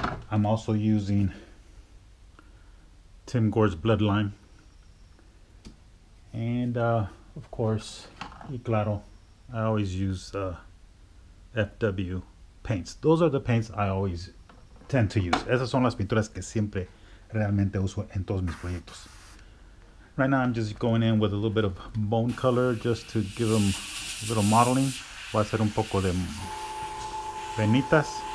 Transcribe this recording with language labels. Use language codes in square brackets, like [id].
[en] I'm also using Tim Gore's Bloodline, and of course, [es] y claro, [en] I always use FW paints. Those are the paints I always tend to use. [es] Esas son las pinturas que siempre realmente uso en todos mis proyectos. [en] Right now, I'm just going in with a little bit of bone color just to give them a little modeling. [es] Voy a hacer un poco de venitas.